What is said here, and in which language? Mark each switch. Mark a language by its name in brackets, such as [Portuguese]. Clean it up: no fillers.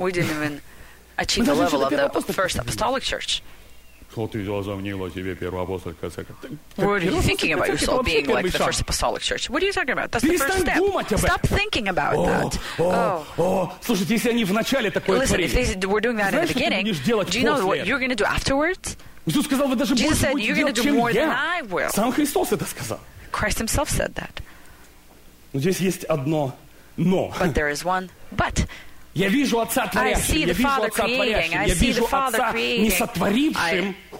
[English] We didn't even achieve the level of the first apostolic church. [Russian] Что ты возомнила себе первоапостольская церковь? [English] What are you thinking about yourself being like the first apostolic church? What are you talking about? That's the first step. [Russian] Перестань думать об этом. [English] Stop thinking about that. [Russian] Слушайте, если они вначале такое творили, [English] listen, if they said we're doing that in the beginning, do you know what you're going to do afterwards? [Russian] Иисус сказал, вы даже больше будете делать, чем я. Сам Христос это сказал. [English] Christ himself said that. [Russian] Но здесь есть одно «но». [English] But there is one but. [Russian] Я вижу Отца творящим. Я вижу Отца не сотворившим.